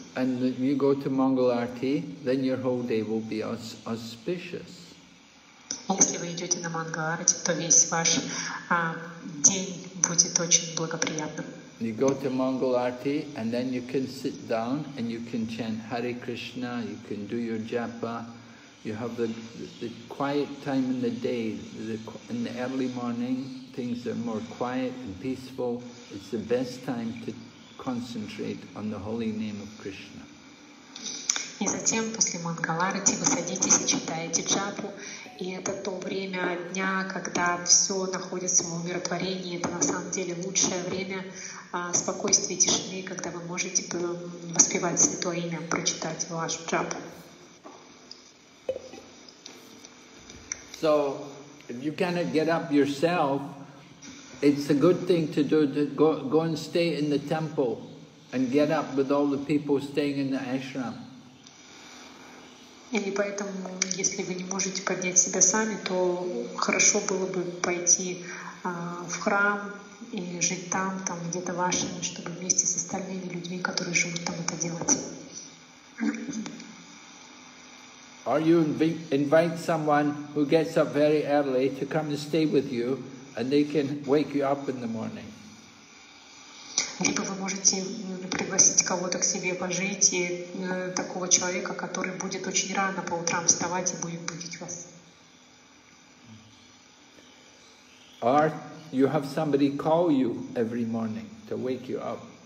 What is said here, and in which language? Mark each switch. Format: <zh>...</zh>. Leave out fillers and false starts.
<en>And you go to Mangal Aarti, then your whole day will be auspicious.</en> <ru>Если вы идете на Мангал Аарти, то весь ваш день будет очень благоприятным.</ru> <en>You go to Mangal Aarti, and then you can sit down and you can chant Hare Krishna, you can do your japa. You have the quiet time in the day. In the early morning, things are more quiet and peaceful. It's the best time to concentrate on the holy name of Krishna.</en> <ru>И затем, после Мангал Аарти, вы садитесь и читаете джапу. И это то время дня, когда все находится в умиротворении. Это на самом деле лучшее время спокойствия и тишины, когда вы можете воспевать святое имя, прочитать вашу джапу.</ru> <en>So, if you cannot get up yourself, it's a good thing to do, to go and stay in the temple and get up with all the people staying in the ashram.</en> <ru>И поэтому, если вы не можете поднять себя сами, то хорошо было бы пойти в храм и жить там где-то вашими, чтобы вместе с остальными людьми, которые живут там, это делать.</ru> <en>Or you invite someone who gets up very early to come and stay with you, and they can wake you up in the morning.</en> <ru>Либо вы можете пригласить кого-то к себе пожить и такого человека, который будет очень рано по утрам вставать и будет будить вас.</ru> <en>Or you have somebody call you every morning to wake you up.</en>